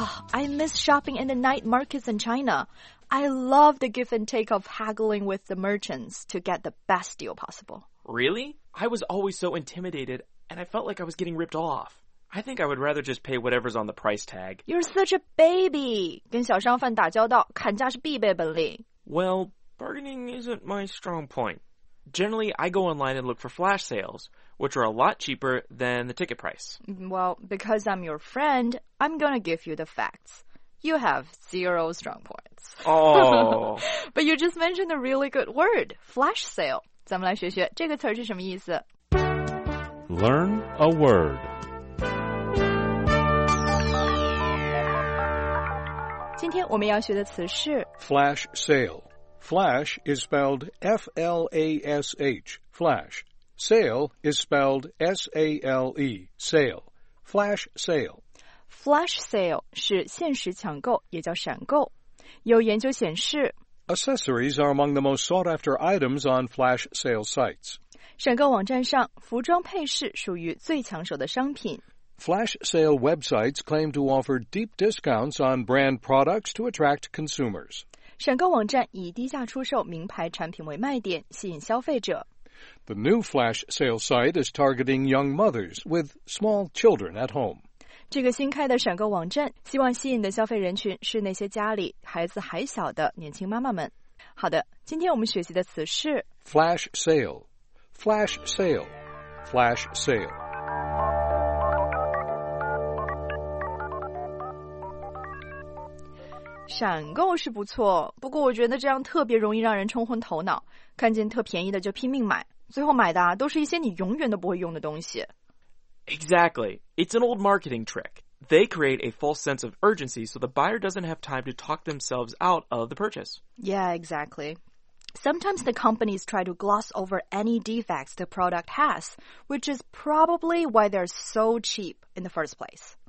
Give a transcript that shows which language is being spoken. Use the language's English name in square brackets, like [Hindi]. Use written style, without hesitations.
[English] I miss shopping in the night markets in China. I love the give and take of haggling with the merchants to get the best deal possible. Really? I was always so intimidated, and I felt like I was getting ripped off. I think I would rather just pay whatever's on the price tag. You're such a baby! [Chinese] 跟小商贩打交道，砍价是必备本领。 [English] Well, bargaining isn't my strong point. Generally, I go online and look for flash sales,which are a lot cheaper than the ticket price. Well, because I'm your friend, I'm going to give you the facts. You have zero strong points. Oh. But you just mentioned a really good word, flash sale. [Chinese] 咱们来学学这个词是什么意思。 [English] Learn a word. [Chinese] 今天我们要学的词是 [English] flash sale. Flash is spelled F-L-A-S-H, flash. Sale is spelled S-A-L-E, sale, flash sale. [Chinese] Flash sale 是限时抢购，也叫闪购。有研究显示， [English] Accessories are among the most sought after items on flash sale sites. [Chinese] 选购网站上，服装配饰属于最抢手的商品。 [English] Flash sale websites claim to offer deep discounts on brand products to attract consumers. [Chinese] 选购网站以低价出售名牌产品为卖点，吸引消费者。 [English] The new flash sale site is targeting young mothers with small children at home. [Chinese] 这个新开的选购网站希望吸引的消费人群是那些家里孩子还小的年轻妈妈们。好的，今天我们学习的词是 [English] flash sale, flash sale, flash sale. [Chinese] 闪购是不错，不过我觉得这样特别容易让人冲昏头脑，看见特便宜的就拼命买，最后买的都是一些你永远都不会用的东西。 [English] Exactly. It's an old marketing trick. They create a false sense of urgency so the buyer doesn't have time to talk themselves out of the purchase. Yeah, exactly. Sometimes the companies try to gloss over any defects the product has, which is probably why they're so cheap in the first place.